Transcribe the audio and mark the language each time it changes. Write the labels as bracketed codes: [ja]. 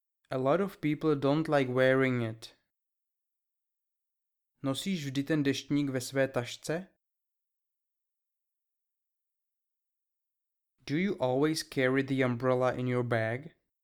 [en] A lot of people don't like wearing it. [cs] Nosíš vždy ten deštník ve své tašce? [en] Do you always carry the umbrella in your bag?